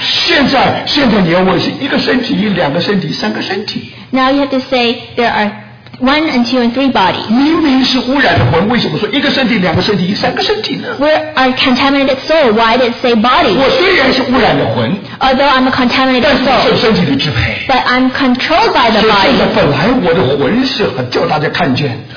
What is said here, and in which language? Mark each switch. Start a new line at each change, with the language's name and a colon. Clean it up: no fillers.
Chinese: 现在你要问是一个身体,两个身体,三个身体。
English: Now you have to say there are one and two and three bodies.
Chinese: 明明是污染的魂,为什么说一个身体,两个身体,三个身体呢?
English: We're a contaminated soul. Why did it say body?
Chinese: 我虽然是污染的魂,
English: although I'm a contaminated soul,
Chinese: 但是受身体的支配,
English: but I'm controlled by the body.
Chinese: 所以现在本来我的魂是很叫大家看见,